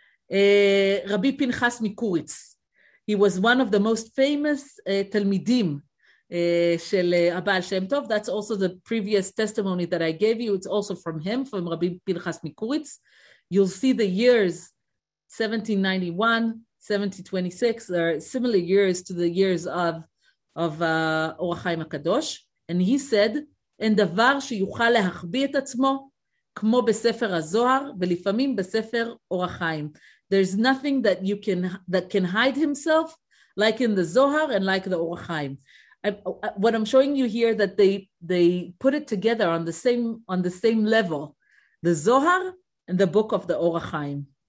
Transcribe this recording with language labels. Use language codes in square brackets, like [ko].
[en] Rabbi Pinchas Mikuritz, he was one of the most famous Talmidim [he] של הבעל שם טוב. [en] That's also the previous testimony that I gave you. It's also from him, from Rabbi Pinchas Mikuritz. You'll see the years 1791, 1726, are similar years to the years of אור החיים הקדוש. And he said, [he] אין דבר שיוכל להחביא את עצמו כמו בספר הזוהר ולפעמים בספר אור החיים. [en] There's nothing that you can that can hide himself like in the Zohar and like the אור החיים. What I'm showing you here that they put it together on the same level, the Zohar and the book of the אור החיים.